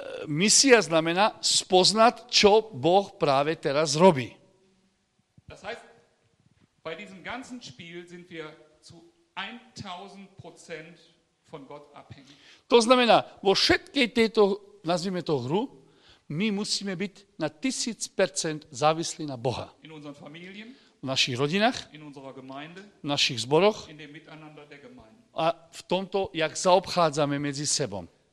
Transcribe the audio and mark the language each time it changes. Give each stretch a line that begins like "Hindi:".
Slovak: Misia znamená spoznať, čo Boh práve teraz robí.
German: Das heißt, bei diesem ganzen Spiel sind wir zu 1000% von Gott abhängig.
Slovak: To znamená, vo všetkej tejto, nazvime to hru, my musíme byť na 1000% závislí na Boha. V našich rodinách, v našich zboroch a v tomto, jak zaobchádzame medzi sebom.